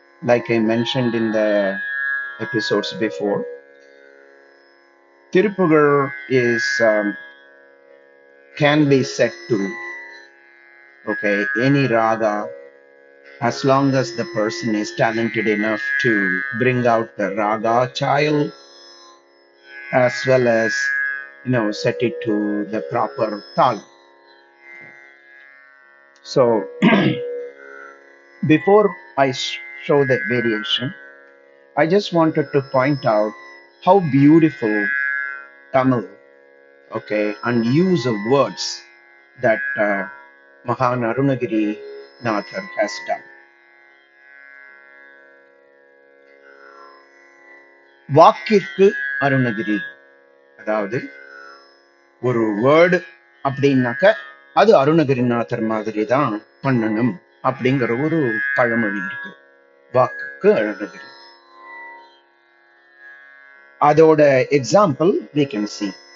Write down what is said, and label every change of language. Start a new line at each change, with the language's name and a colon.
English: Like I mentioned in the episodes before, Thiruppugazh is can be set to okay any raga as long as the person is talented enough to bring out the raga child as well as set it to the proper taal. So before I show that variation, I just wanted to point out how beautiful Tamil and use of words that Mahan Arunagirinathar has done.
Tamil: வாக்கிற்கு Arunagiri, அதாவது ஒரு word அப்படின்னாக்க அது அருணகிரிநாதர் மாதிரி தான் பண்ணணும் அப்படிங்கிற ஒரு பழமொழி இருக்கு. வாக்கிற்கு அருணகிரி, அதோட
English: Example we can see.